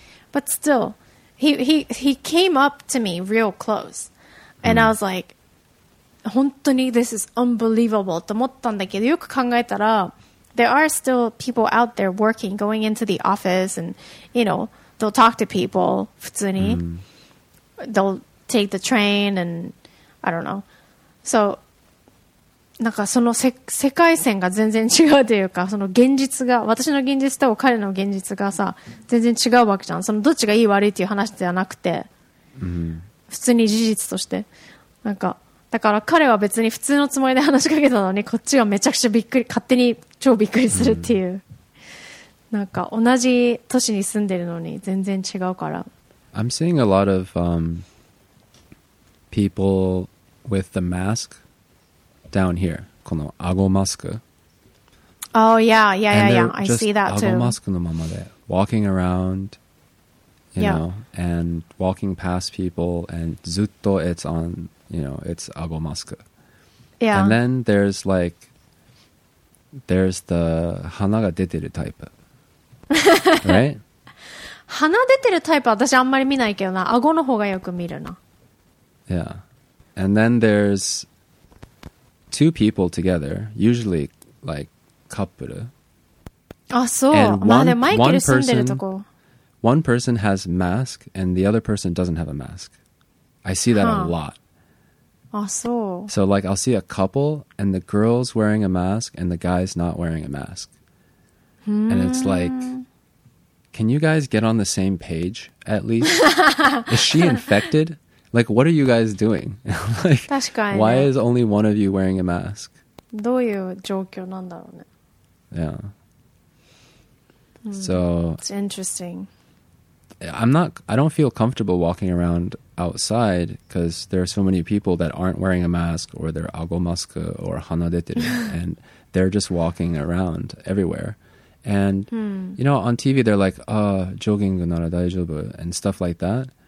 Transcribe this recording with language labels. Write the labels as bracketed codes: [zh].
[en] But still, he came up to me real close and I was like, [ja] 本当に [en] this is unbelievable [ja] と思ったんだけど、よく考えたら [en] there are still people out there working, going into the office and, you know, they'll talk to people [ja] 普通に、 [en] they'll take the train and I don't know. [ja] So なんかその世界線が全然違うというか、その現実が、私の現実と彼の現実がさ全然違うわけじゃん。そのどっちがいい悪いっていう話ではなくて、普通に事実として、なんかだから彼は別に普通のつもりで話しかけたのに、こっちはめちゃくちゃびっくり、勝手に超びっくりするっていう、なんか同じ都市に住んでるのに全然違うから。 [en] I'm seeing a lot of people with the mask down here. [ja] この顎マスク。 [en] Oh yeah. I see that too. 顎 [ja] マスクのままで [en] walking around, you know, and walking past people, and [ja] ずっと [en] it's on, you know, it's abo maska. Yeah. And then there's like, there's the [ja] 鼻が出てるタイプ。 [en] Right? [ja] 鼻出てるタイプは私あんまり見ないけどな。顎の方がよく見るな。 [en] Yeah. And then there's two people together, usually like couple. [ja] あ、そう。 [en] And one, [ja] まあね、マイケル住んでるとこ。 [en] One person has mask and the other person doesn't have a mask. I see that a lot. So like I'll see a couple and the girl's wearing a mask and the guy's not wearing a mask. And it's like, can you guys get on the same page at least? Is she infected? Like, what are you guys doing? [ja] Like, 確かにね。 [en] Why is only one of you wearing a mask? [ja] どういう状況なんだろうね。 [en] Yeah. So, it's interesting. I don't feel comfortable walking around outside because there are so many people that aren't wearing a mask or they're [ja] あごマスク [en] or [ja] 鼻出てる [en] and they're just walking around everywhere. And, you know, on TV, they're like, [ja] ジョギングなら大丈夫 [en] and stuff like that.